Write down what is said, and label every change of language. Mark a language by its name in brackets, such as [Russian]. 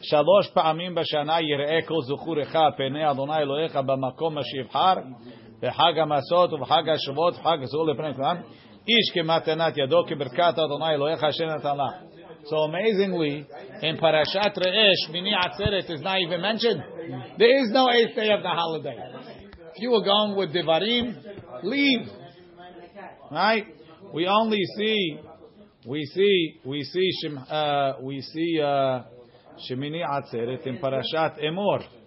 [Hebrew] Shalosh Pa'amim B'Shana Yir'eko Zuchurecha Penei Adonai Elohecha B'Makom Ashiv Har בחג המסות ובחג השבועות ובחג הסעור לפני כולם, איש כמתנת ידו כברכת אדוני אלוהיך אשר נתן לך. [English] So amazingly, in פרשת ראה, שמיני עצרת is not even mentioned. There is no eighth day of the holiday. If you were going with דברים, leave. Right? We only see, we see שמיני עצרת in פרשת אמור.